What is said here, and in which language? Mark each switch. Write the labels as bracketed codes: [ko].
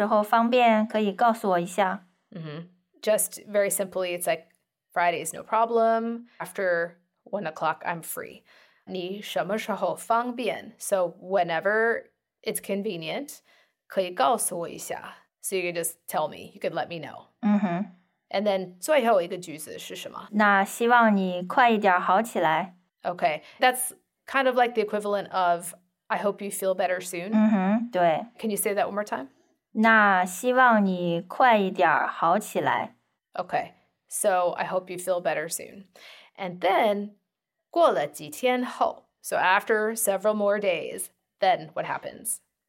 [zh] 星期五没问题,我早上有一点事情,不过从一点后都有空,你什么时候方便可以告诉我一下? Mm-hmm. [en] Just very simply, it's like Friday is no problem, after 1 o'clock I'm free. [zh] 你什么时候方便? [en] So whenever it's convenient, [zh] 可以告诉我一下. [en] So you can just tell me, you can let me know. Mm-hmm. [zh] And then 最后一个句子是什么? 那希望你快一点好起来. [en] Okay, that's kind of like the equivalent of I hope you feel better soon. Mm-hmm. 对. Can you say that one more time? [zh] 那希望你快一点好起来. [en] Okay, so I hope you feel better soon. And then [zh] 过了几天后, [en] so after several more days, then what happens?